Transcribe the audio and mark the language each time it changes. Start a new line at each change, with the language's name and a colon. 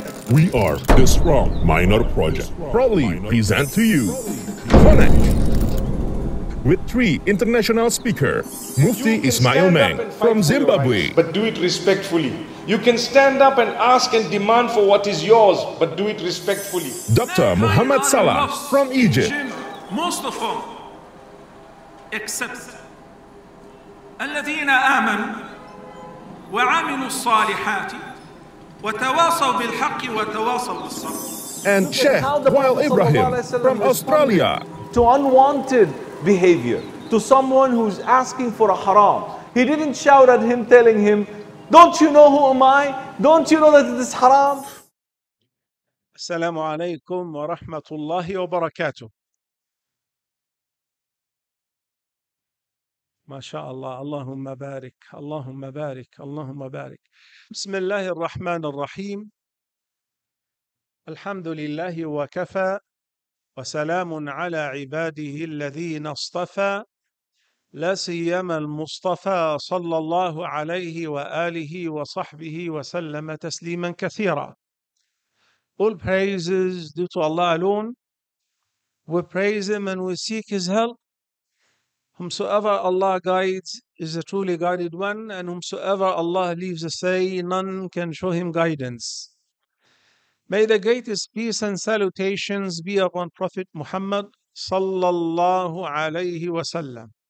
English: We are the Strong Minor Project, proudly present to you Connect with three international speakers. Mufti Ismail Meng from Zimbabwe. But do it respectfully. You can stand up and ask and demand for what is yours, but do it respectfully. Dr. Muhammad Salah from Egypt. Most of all, except
Arabic: الذين آمنوا وعملوا الصالحات وتواصوا بالحق وتواصوا بالصبر.
English: And Sheikh Wael Ibrahim from Australia. To unwanted behavior, to someone who's asking for a haram. He didn't shout at him telling him, don't you know who am I? Don't you know that it is haram?
Arabic: السلام عليكم ورحمة الله وبركاته. ما شاء الله، اللهم بارك، اللهم بارك، اللهم بارك. بسم الله الرحمن الرحيم، الحمد لله وكفى، وسلام على عباده الذين اصطفى، لا سيما المصطفى صلى الله عليه وآله وصحبه وسلم تسليما كثيرا.
English: All praises due to Allah alone. We praise him and we seek his help. Whomsoever Allah guides is a truly guided one, and whomsoever Allah leaves astray, none can show him guidance. May the greatest peace and salutations be upon Prophet Muhammad sallallahu alayhi wa sallam.